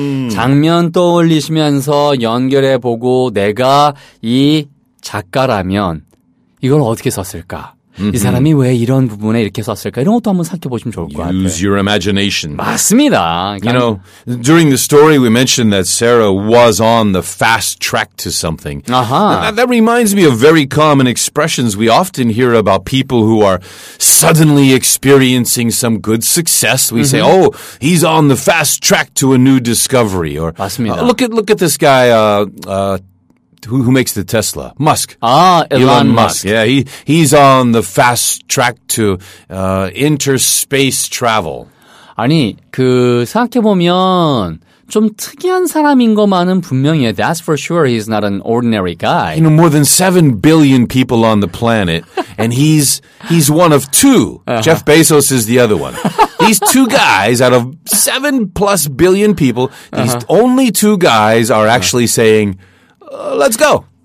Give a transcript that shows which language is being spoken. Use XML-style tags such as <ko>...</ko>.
<ko>장면 떠올리시면서 연결해보고 내가 이 작가라면 이걸 어떻게 썼을까? 이 사람이 왜 이런 부분에 이렇게 썼을까? 이런 것도 한번 살펴보시면 좋을 것 같아요.</ko> <en>Use your imagination.</en> <ko>맞습니다.</ko> <en>You know, during the story we mentioned that Sarah was on the fast track to something. That reminds me of very common expressions we often hear about people who are suddenly experiencing some good success. We say, oh, he's on the fast track to a new discovery. Or,</en> <ko>맞습니다.</ko> <en>Look at this guy, Who makes the Tesla? Musk. Ah, Elon Musk. Yeah, he's on the fast track to interspace travel.</en> <ko>아니, 그 생각해보면 좀 특이한 사람인 것만은 분명해.</ko> <en>That's for sure. He's not an ordinary guy. You know, more than 7 billion people on the planet, and he's one of two. Uh-huh. Jeff Bezos is the other one. These two guys out of 7 plus billion people, these only two guys are actually saying, let's go.</en>